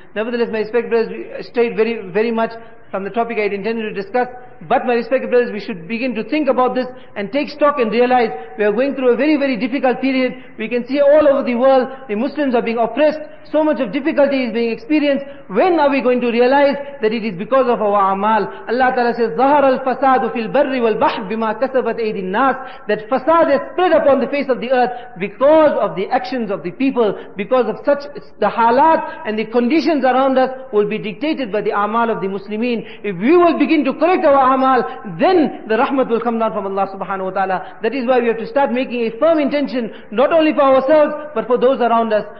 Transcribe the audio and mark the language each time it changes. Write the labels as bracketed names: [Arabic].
[English] Nevertheless, my respected brothers, we strayed very, very much from the topic I had intended to discuss. But my respected brothers, we should begin to think about this and take stock and realize we are going through a very, very difficult period. We can see all over the world, the Muslims are being oppressed. So much of difficulty is being experienced. When are we going to realize that it is because of our amal? Allah Ta'ala says, [Arabic] ظَهَرَ الْفَسَادُ فِي الْبَرِّ وَالْبَحْرِ بِمَا كَسَبَتْ أَيْدِ النَّاسِ. [English] That fasad has spread upon the face of the earth because of the actions of the people, because of such the halat and the conditions around us will be dictated by the amal of the Muslimin. If we will begin to correct our amal, then the rahmat will come down from Allah subhanahu wa ta'ala. That is why we have to start making a firm intention, not only for ourselves, but for those around us.